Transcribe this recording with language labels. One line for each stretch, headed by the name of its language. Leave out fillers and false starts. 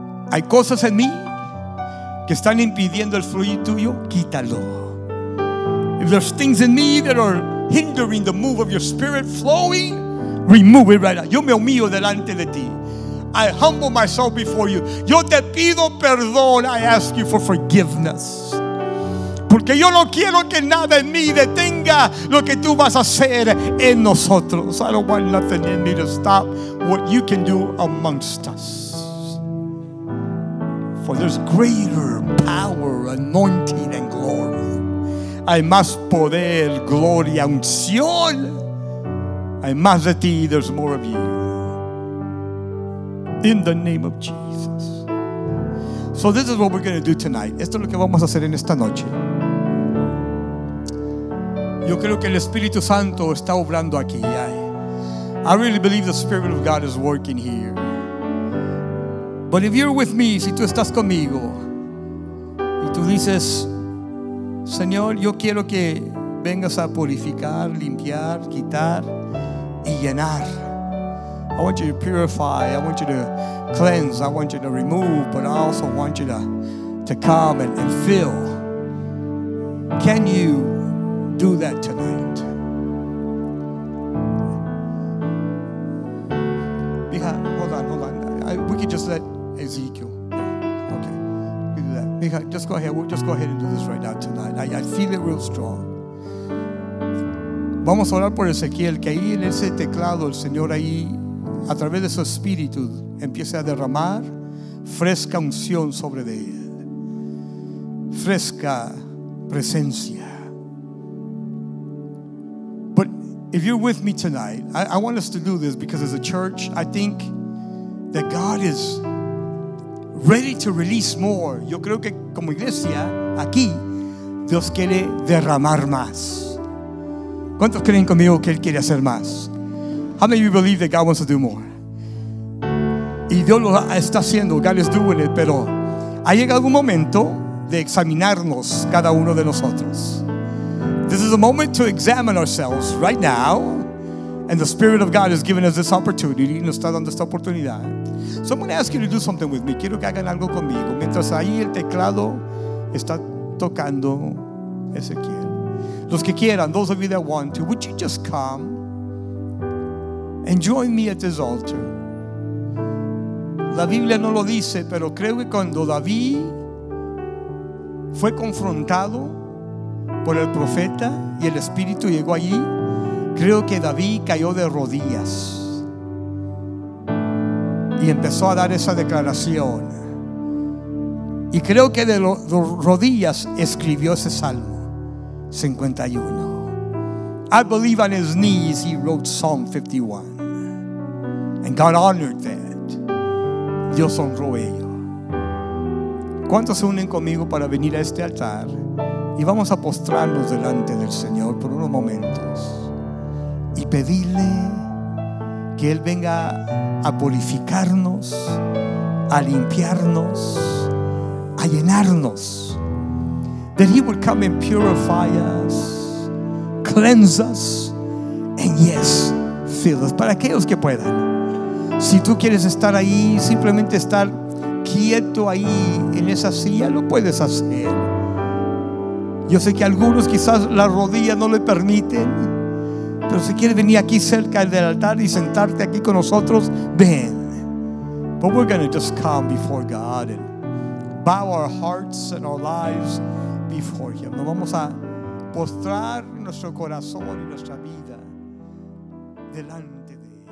Spanish: Hay cosas en mí que están impidiendo el fluir tuyo, quítalo.
English: If there's things in me that are hindering the move of your spirit flowing, remove it right now.
Spanish: Yo me humillo delante de ti.
English: I humble myself before you.
Spanish: Yo te pido perdón.
English: I ask you for forgiveness.
Spanish: Porque yo no quiero que nada en mí detenga lo que tú vas a hacer en nosotros.
English: I don't want nothing in me to stop what you can do amongst us. For there's greater power, anointing, and glory.
Spanish: Hay más poder, gloria, unción. Hay más de ti,
English: there's more of you. in the name of Jesus. So this is what we're going to do tonight.
Spanish: Esto es lo que vamos a hacer en esta noche. Yo creo que el Espíritu Santo está obrando aquí.
English: I really believe the Spirit of God is working here. But if you're with me,
Spanish: si tú estás conmigo, y tú dices, Señor, yo quiero que vengas a purificar, limpiar, quitar y llenar.
English: I want you to purify, I want you to cleanse, I want you to remove, but I also want you to come and fill. Can you do that tonight? Mija, hold on. We could just let Ezekiel. Okay, we do that. Mija, just go ahead. We'll just go ahead and do this right now tonight. I feel it real strong.
Spanish: Vamos a orar por Ezequiel, que ahí en ese teclado el Señor ahí, a través de su espíritu, empiece a derramar fresca unción sobre de él, fresca presencia.
English: But if you're with me tonight, I want us to do this because as a church, I think that God is ready to release more.
Spanish: Yo creo que como iglesia, aquí, Dios quiere derramar más. ¿Cuántos creen conmigo que Él quiere hacer más?
English: How many of you believe that God wants to do more?
Spanish: Y Dios lo está haciendo,
English: God is doing it,
Spanish: pero ha llegado un momento de examinarnos cada uno de nosotros.
English: This is a moment to examine ourselves right now, and the Spirit of God has given us this opportunity,
Spanish: nos está dando esta oportunidad.
English: So I'm going to ask you to do something with me.
Spanish: Quiero que hagan algo conmigo mientras ahí el teclado está tocando Ezequiel. Los que quieran,
English: those of you that want to, would you just come and join me at this altar?
Spanish: La Biblia no lo dice, pero creo que cuando David fue confrontado por el profeta y el Espíritu llegó allí, creo que David cayó de rodillas y empezó a dar esa declaración. Y creo que de rodillas escribió ese Salmo 51.
English: I believe on his knees he wrote Psalm 51. And God honored that.
Spanish: Dios honró ello. ¿Cuántos se unen conmigo para venir a este altar? Y vamos a postrarnos delante del Señor por unos momentos y pedirle que Él venga a purificarnos, a limpiarnos, a llenarnos.
English: That He would come and purify us, cleanse us, and yes, fill us.
Spanish: Para aquellos que puedan. Si tú quieres estar ahí, simplemente estar quieto ahí en esa silla, lo puedes hacer. Yo sé que algunos quizás la rodilla no le permiten, pero si quieres venir aquí cerca del altar y sentarte aquí con nosotros, ven.
English: But we're going to just come before God and bow our hearts and our lives before Him.
Spanish: Nos vamos a postrar nuestro corazón y nuestra vida delante de Él.